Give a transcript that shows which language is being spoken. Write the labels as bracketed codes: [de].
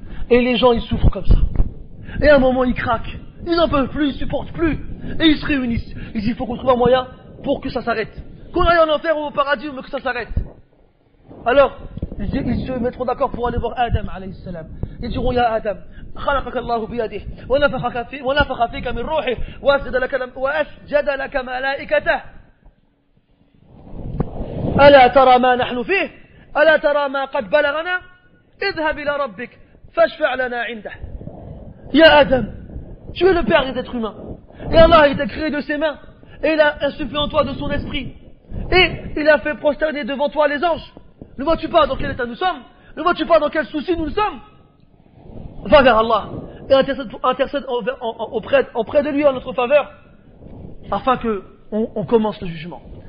[fr] Et les gens ils souffrent comme ça. Et à un moment ils craquent. Ils n'en peuvent plus, ils supportent plus. Et ils se réunissent. Ils disent il faut qu'on trouve un moyen pour que ça s'arrête. Qu'on aille en enfer ou au paradis, mais que ça s'arrête. Alors, ils se mettront d'accord pour aller voir Adam, alayhi salam. Ils diront, [ar] ya Adam, خلقك الله بيده ونفخ فيك من روحه واسجد لك ملائكته. ألا ترى ما نحن فيه؟ ألا ترى ما قد بلغنا؟ اذهب إلى ربك فاشفع لنا عنده. يا آدم, [fr] tu es le père des êtres humains. Et Allah, il t'a créé de ses mains. Et il a insufflé en toi de son esprit. Et il a fait prosterner devant toi les anges. Ne vois-tu pas dans quel état nous sommes? Ne vois-tu pas dans quel souci nous sommes? Va vers Allah et intercède auprès de lui en notre faveur afin qu'on commence le jugement.